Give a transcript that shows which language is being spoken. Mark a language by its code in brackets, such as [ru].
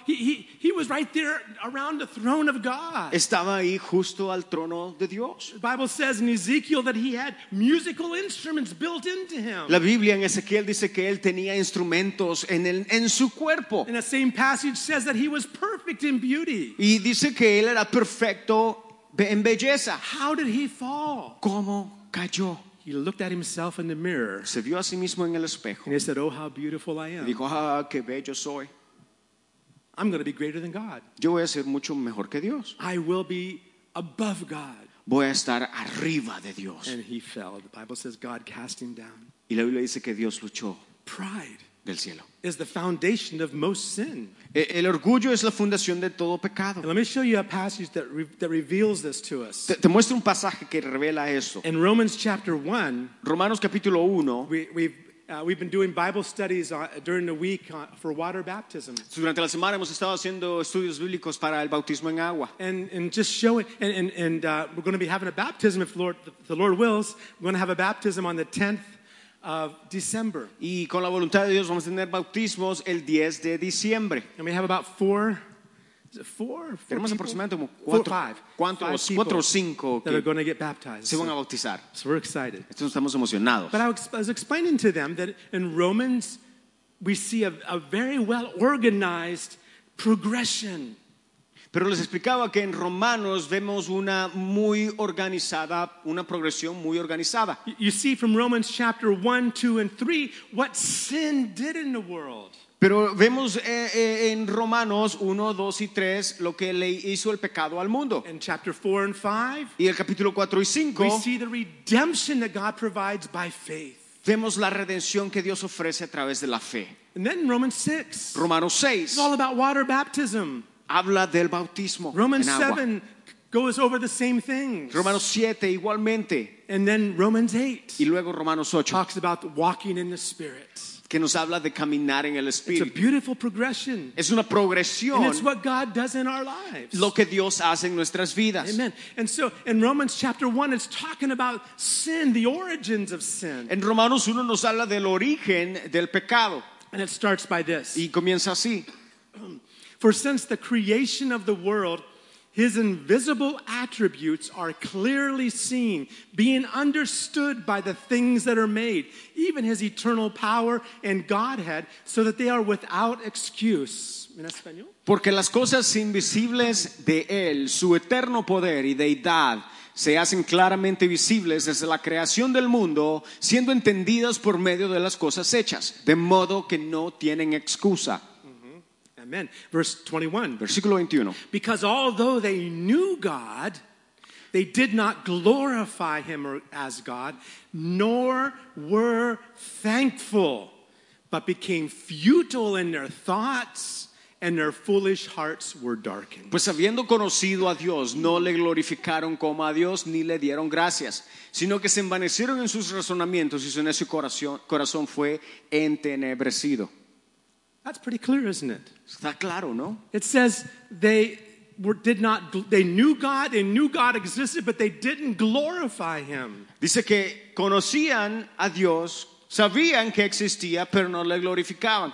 [en] He was right there around the throne of God. [es] Estaba ahí justo al trono de Dios. [en] The Bible says in Ezekiel that he had musical instruments built into him. [es] La Biblia en Ezequiel dice que él tenía instrumentos en su cuerpo. [en] And the same passage says that he was perfect in beauty. [es] Y dice que él era perfecto en belleza. [en] How did he fall? [es] ¿Cómo cayó? [en] He looked at himself in the mirror. [es] Se vio a sí mismo en el espejo. [en] And he said, "Oh, how beautiful I am." [es] Dijo, "Ah, qué bello soy." [en] I'm going to be greater than God. [es] Yo voy a ser mucho mejor que Dios. [en] I will be above God. [es] Voy a estar arriba de Dios. [en] And he fell. The Bible says God cast him down. [es] Y la Biblia dice que Dios lo echó. [en] Pride [es] del cielo. [en] Is the foundation of most sin. [es] El orgullo es la fundación de todo pecado. [en] And let me show you a passage that reveals this to us. [es] Te muestro un pasaje que revela eso. [en] In Romans chapter 1, [es] Romanos capítulo 1, [en] we've been doing Bible studies during the week for water baptism. [es] Durante la semana hemos estado haciendo estudios bíblicos para el bautismo en agua. [en] And just show it. And we're going to be having a baptism, if the Lord wills. We're going to have a baptism on the 10th of December. [es] Y con la voluntad de Dios vamos a tener bautismos el 10 de diciembre. [en] And we have about four or five people that are going to get baptized. [es] Se van a bautizar. [en] So we're excited. [es] Entonces estamos emocionados. [en] But I was explaining to them that in Romans we see a very well organized progression. [es] Pero les explicaba que en Romanos vemos una muy organizada, una progresión muy organizada. [en] You see from Romans chapter 1, 2, and 3 what sin did in the world. [es] Pero vemos en Romanos 1, 2 y 3 lo que le hizo el pecado al mundo. [en] In chapter 4 and 5, [es] y el capítulo 4 y 5, [en] we see the redemption that God provides by faith. [es] Vemos la redención que Dios ofrece a través de la fe. [en] And then in Romans 6, [es] Romanos 6, [en] it's all about water baptism. [es] Habla del bautismo en agua. [en] Romans 7 goes over the same things. [es] Romanos 7 igualmente. [en] And then Romans 8, [es] y luego Romanos 8, [en] talks about walking in the Spirit. [es] Que nos habla de caminar en el Espíritu. [en] It's a beautiful progression. [es] Es una progresión. [en] And it's what God does in our lives. [es] Lo que Dios hace en nuestras vidas. [en] Amen. And so in Romans chapter 1 it's talking about sin, the origins of sin. [es] En Romanos 1 nos habla del origen del pecado. [en] And it starts by this. [es] Y comienza así. [en] For since the creation of the world, his invisible attributes are clearly seen, being understood by the things that are made, even his eternal power and Godhead, so that they are without excuse. [es] ¿En español? Porque las cosas invisibles de él, su eterno poder y deidad, se hacen claramente visibles desde la creación del mundo, siendo entendidas por medio de las cosas hechas, de modo que no tienen excusa. [en] Amen. Verse 21. [es] Versículo 21. [en] Because although they knew God, they did not glorify him as God, nor were thankful, but became futile in their thoughts, and their foolish hearts were darkened. [es] Pues habiendo conocido a Dios, no le glorificaron como a Dios, ni le dieron gracias, sino que se envanecieron en sus razonamientos, y su necio corazón fue entenebrecido. [en] That's pretty clear, isn't it? [es] Está claro, ¿no? [en] It says they knew God existed, but they didn't glorify him. [es] Dice que conocían a Dios, sabían que existía, pero no le glorificaban.